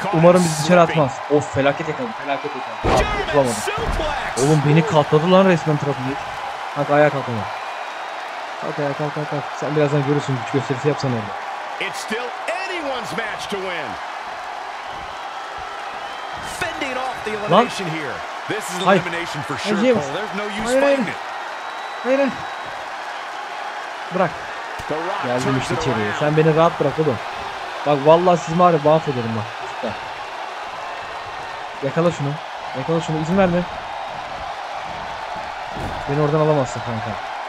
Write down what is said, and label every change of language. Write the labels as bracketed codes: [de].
[tr] Umarım bizi dışarı atmaz. Of, felaket yakaladı. Felaket yakaladı. Tutulamadı. Oğlum beni katladı lan resmen Triple H. Kalk ayağa, kalk ayağa. Kalk ayağa, kalk kalk kalk. Sen birazdan görürsün, güç gösterisi yapsan orada. [en] It's still anyone's match to win. Fending off the elimination here. This is elimination for sure. Cole. There's no use fighting it. [tr] Hayır. Bırak. Geldim işte içeriye. Sen beni rahat bırak oğlum. Bak vallahi sizi mağrı mahvederim bak. Yakala şunu. Yakala şunu. İzin verme. Beni oradan alamazsın kanka.